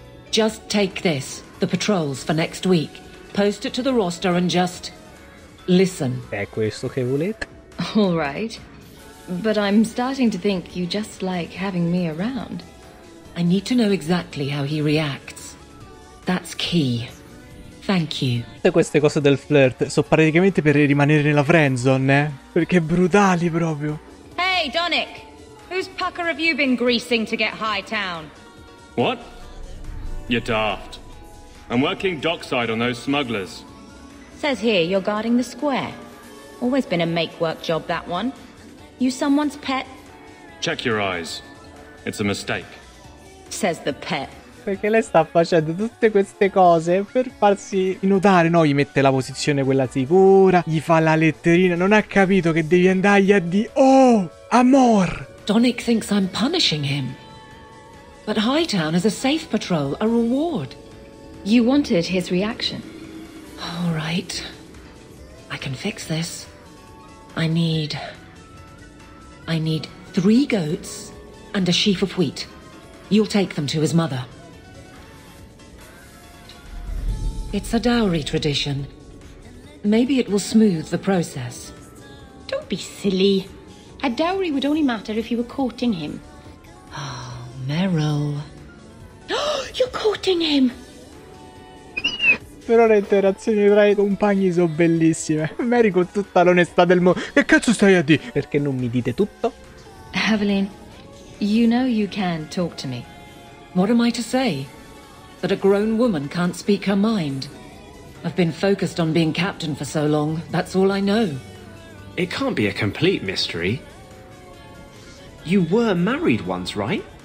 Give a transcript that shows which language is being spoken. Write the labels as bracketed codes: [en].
[en] Just take this, the patrols for next week. Post it to the roster and just listen. [it] È questo che volete? [en] All right. But I'm starting to think you just like having me around. I need to know exactly how he reacts. That's key. Thank you. [it] Tutte queste cose del flirt sono praticamente per rimanere nella friendzone, eh? Perché brutali proprio. [en] Hey, Donick! Whose pucker have you been greasing to get high town? What? You're daft. I'm working dockside on those smugglers. Says here you're guarding the square. Always been a make-work job, that one. You someone's pet? Check your eyes. It's a mistake. Says the pet. [it] Perché lei sta facendo tutte queste cose per farsi notare, no? Gli mette la posizione quella sicura, gli fa la letterina. Non ha capito che devi andargli a di... Oh, amor! [en] Donick thinks I'm punishing him. But Hightown is a safe patrol, a reward. You wanted his reaction. All right. I can fix this. I need three goats and a sheaf of wheat. You'll take them to his mother. It's a dowry tradition. Maybe it will smooth the process. Don't be silly. A dowry would only matter if you were courting him. Oh, Meryl. You're courting him! [it] Però le interazioni tra i compagni sono bellissime. Mary con tutta l'onestà del mondo. Che cazzo stai a dire? Perché non mi dite tutto? [en] Aveline, you know you can talk to me. What am I to say? That a grown woman can't speak her mind. I've been focused on being captain for so long, that's all I know. It can't be a complete mystery. You were married once, right?